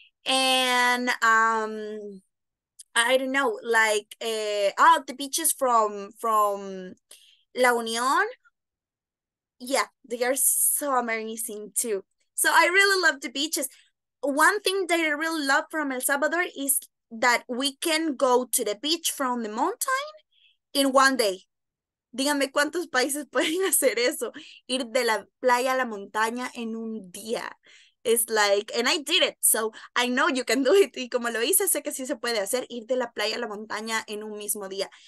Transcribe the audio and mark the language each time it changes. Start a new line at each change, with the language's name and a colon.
English: And I don't know, like the beaches from La Union. Yeah, they are so amazing too. So I really love the beaches. One thing that I really love from El Salvador is that we can go to the beach from the mountain in one day.
Spanish: Díganme cuántos países pueden hacer eso. Ir de la playa a la montaña en un día.
English: It's like, and I did it, so I know you can do it.
Spanish: Y como lo hice, sé que sí se puede hacer, ir de la playa a la montaña en un mismo día.